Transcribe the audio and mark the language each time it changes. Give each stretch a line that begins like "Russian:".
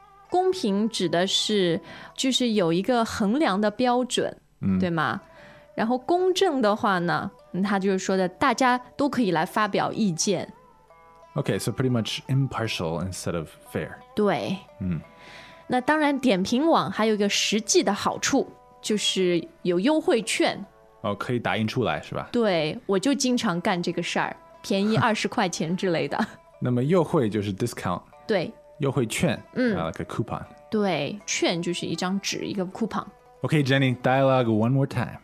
Chinese: 公平指的是就是有一个衡量的标准，嗯，对吗？然后公正的话呢，他就是说的大家都可以来发表意见。
English: Okay, so pretty much impartial instead of fair.
Chinese: 对。那当然点评网还有一个实际的好处，就是有优惠券。哦，可以打印出来是吧？对，我就经常干这个事儿，便宜20块钱之类的。那么优惠就是 discount。对。优惠券，嗯
English: ，like a coupon。
Chinese: 对，券就是一张纸，一个 coupon。
English: Okay, Jenny, dialogue one more time.